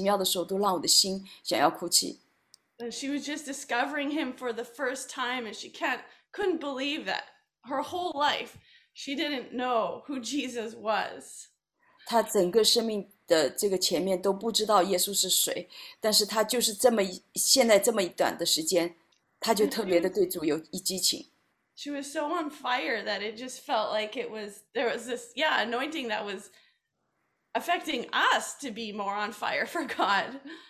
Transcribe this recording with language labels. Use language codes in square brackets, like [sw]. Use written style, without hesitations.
[zh] 所以当他分享就是，圣经和耶稣是何等奇妙的时候，都让我的心想要哭泣。 [en] And she was just discovering him for the first time, and she couldn't believe that her whole life she didn't know who Jesus was. [zh] 她整个生命的这个前面都不知道耶稣是谁，但是她就是这么现在这么一短的时间。 [en] She was so on fire that it just felt like it was there was this yeah anointing that was affecting us to be more on fire for God.